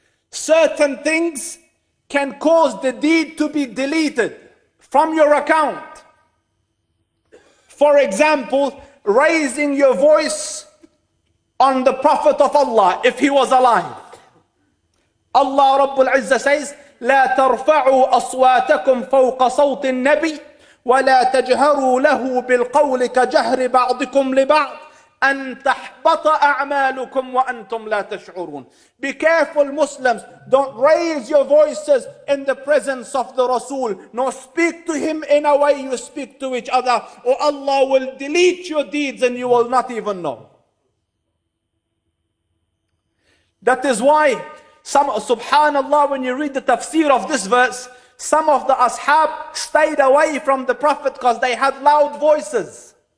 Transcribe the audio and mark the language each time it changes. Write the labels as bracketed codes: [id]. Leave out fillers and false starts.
[en] Certain things can cause the deed to be deleted from your account. For example, raising your voice on the Prophet of Allah, if he was alive. [ar] Allah Rabbul Izzah says, لا ترفعوا أصواتكم فوق صوت النبي ولا تجهروا له بالقول كجهر بعضكم لبعض أن تحبط أعمالكم وأنتم لا تشعرون. [en] Be careful, Muslims. Don't raise your voices in the presence of the Rasul, nor speak to him in a way you speak to each other, or Allah will delete your deeds and you will not even know. That is why some, subhanallah, when you read the tafsir of this verse, some of the ashab stayed away from the Prophet because they had loud voices.